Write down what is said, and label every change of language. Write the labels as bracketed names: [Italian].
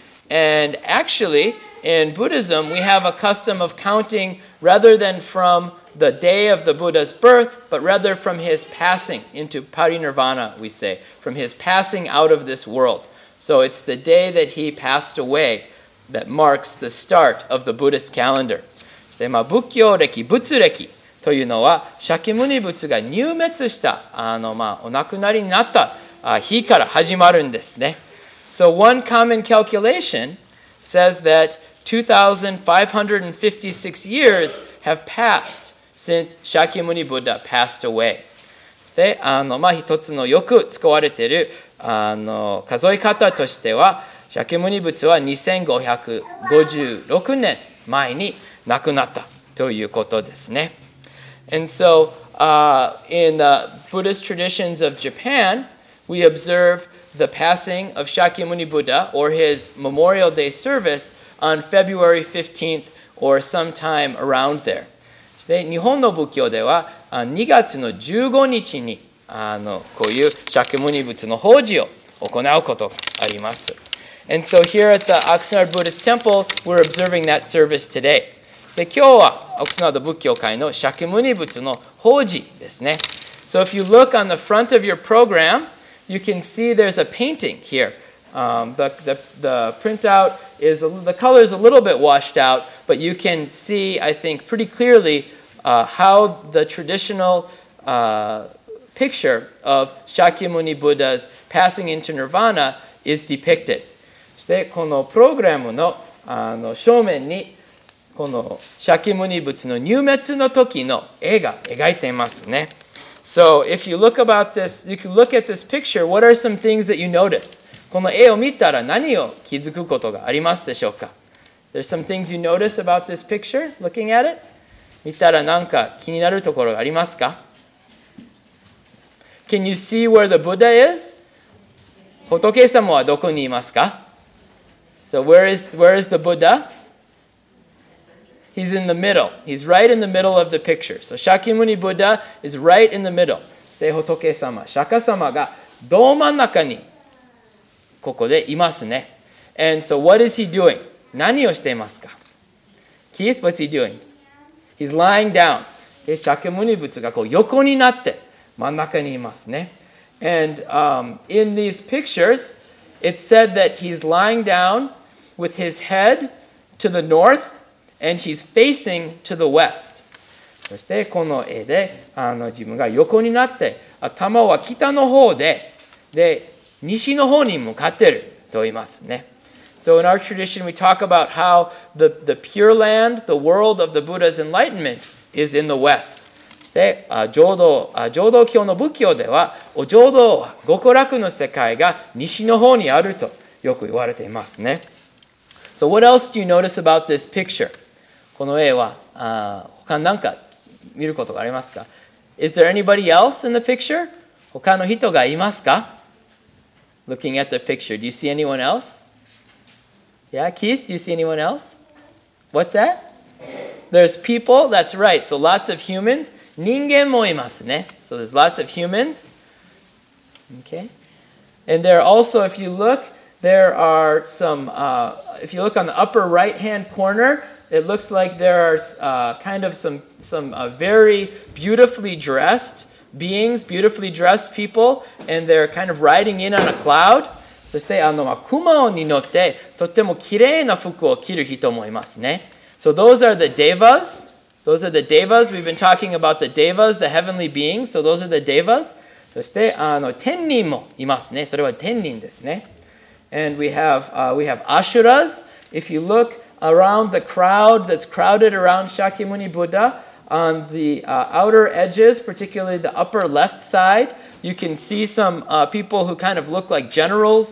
[English] And actually, in Buddhism, we have a custom of counting rather than from the day of the Buddha's birth, but rather from his passing into parinirvana, we say, from his passing out of this world. So it's the day that he passed away that marks the start of the Buddhist calendar. [Japanese] で、まあ、仏教歴、仏歴。というのは、シャキムニ仏が入滅した、お亡くなりになった日から始まるんですね。 [English] So one common calculation says that 2,556 years have passed since シャキムニ Buddha passed away. [Japanese] で、一つのよく使われている数え方としては、シャキムニ仏は2,556年前に亡くなったということですね。 [English] And so, in the Buddhist traditions of Japan, we observe the passing of Shakyamuni Buddha or his Memorial Day service on February 15th or sometime around there. [Japanese] で、日本の仏教では、2月の15日に、こういう Shakyamuni 仏の法事を行うことがあります。 [English] And so here at the Oxnard Buddhist Temple, we're observing that service today. [Japanese] で今日はオクスナード仏教会のシャキムニ仏の法事ですね。 [English] So if you look on the front of your program, you can see there's a painting here. The printout is the color is a little bit washed out, but you can see, I think, pretty clearly how the traditional picture of Shakyamuni Buddha's passing into Nirvana is depicted. [Japanese] そしてこのプログラムの正面にこのシャキムニ仏の入滅の時の絵が描いていますね。 [English] So if you look about this, you can look at this picture, what are some things that you notice? [Japanese] この絵を見たら何を気づくことがありますでしょうか? [English] There's some things you notice about this picture, looking at it? [Japanese] 見たら何か気になるところがありますか? [English] Can you see where the Buddha is? [Japanese] 仏様はどこにいますか? [English] So where is the Buddha? He's in the middle. He's right in the middle of the picture. So Shakyamuni Buddha is right in the middle. [Japanese] で、仏様、釈迦様がど真ん中にここでいますね。 [English] And so what is he doing? [Japanese] 何をしていますか? [English] Keith, what's he doing? He's lying down. [Japanese] で、釈迦牟尼仏がこう横になって真ん中にいますね。 [English] And in these pictures, it said that he's lying down with his head to the north and he's facing to the west. [Japanese] そしてこの絵で自分が横になって頭は北の方で、で西の方に向かっていると言いますね。 [English] So in our tradition, we talk about how the pure land, the world of the Buddha's enlightenment, is in the west. [Japanese] そして浄土教の仏教では、お浄土極楽の世界が西の方にあるとよく言われていますね。 [English] So what else do you notice about this picture? [Japanese] この絵は他に何か見ることがありますか? [English] Is there anybody else in the picture? [Japanese] 他の人がいますか? [English] Looking at the picture, do you see anyone else? Yeah, Keith, do you see anyone else? What's that? There's people, that's right. So lots of humans. [Japanese] 人間もいますね。 [English] So there's lots of humans. Okay. And there also, if you look, there are some, if you look on the upper right-hand corner, it looks like there are kind of some very beautifully dressed beings, beautifully dressed people, and they're kind of riding in on a cloud. [Japanese] そして雲に乗ってとっても綺麗な服を着る人もいますね。 [English] So those are the devas. Those are the devas. We've been talking about the devas, the heavenly beings. So those are the devas. [Japanese] そして天人もいますね。それは天人ですね。 [English] And we have asuras. If you look around the crowd that's crowded around Shakyamuni Buddha on the outer edges, particularly the upper left side,You can see some people who kind of look like generals.